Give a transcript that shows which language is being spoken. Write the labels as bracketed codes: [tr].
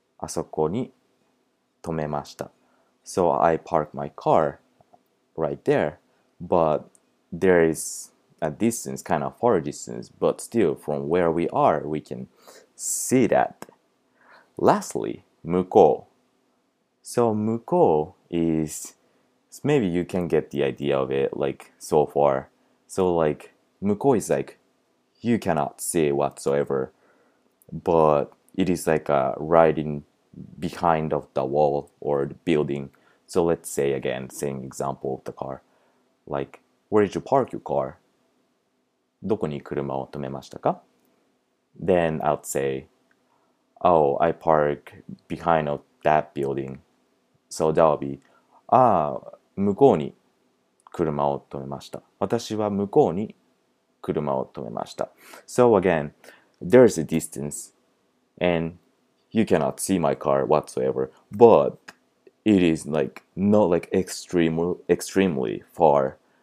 [ja] 私は車をあそこに止めました. [en] So I park my car right there, but there is a distance, kind of far distance, but still from where we are, we can see that. Lastly, Mukou. So Mukou is, maybe you can get the idea of it like so far. So like Mukou is like you cannot see whatsoever, but it is like right in behind of the wall or the building. So let's say again, same example of the car. Like, where did you park your car? [ja] どこに車を止めましたか? [en] Then I'd say, oh, I park behind of that building. [ja] So that would be, ah, 向こうに車を止めました。私は向こうに車を止めました。 [en] So again, there is a distance and you cannot see my car whatsoever, but it is like not like extremely far.